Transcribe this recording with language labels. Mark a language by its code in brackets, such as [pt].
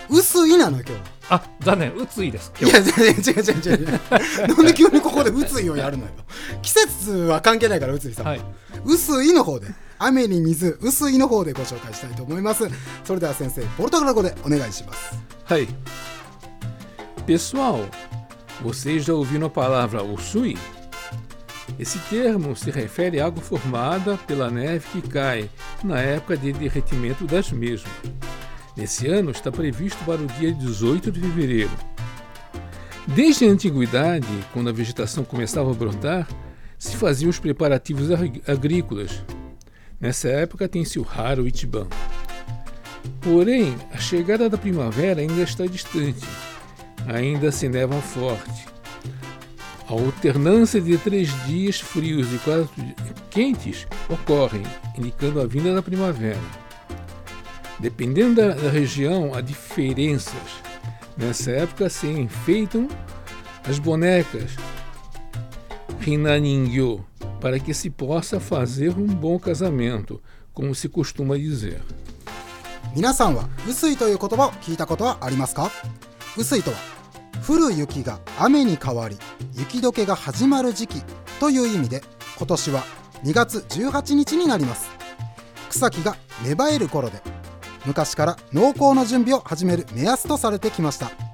[ja] 薄井なの今日。あ、残念、薄井です。いや違う、なんで急にここで薄井をやるのよ。季節は関係ないから薄井さん、はい、薄井の方で、雨に水、薄井の方でご紹介したいと思います。それでは先生、ポルトガル語でお願いします。 [pt] はい、Pessoal, vocês já ouviram a palavra Usui? Esse termo se refere a água formada pela neve que cai na época de derretimento das mesmas. Nesse ano está previsto para o dia 18 de fevereiro. Desde a antiguidade, quando a vegetação começava a brotar, se faziam os preparativos agrícolas. Nessa época tem-se o raro Itiban. Porém, a chegada da primavera ainda está distante. Ainda se neva forte. A alternância de 3 dias frios e 4 quentes ocorre, indicando a vinda da primavera. Dependendo da região, há diferenças. Nessa época se enfeitam as bonecas Hinaningyo, para que se possa fazer um bom casamento, como se costuma dizer. [ja] 皆さんは薄いという言葉を聞いたことはありますか？薄いとは降る雪が雨に変わり雪解けが始まる時期という意味で、今年は2月18日になります。草木が芽生える頃で、昔から農耕の準備を始める目安とされてきました。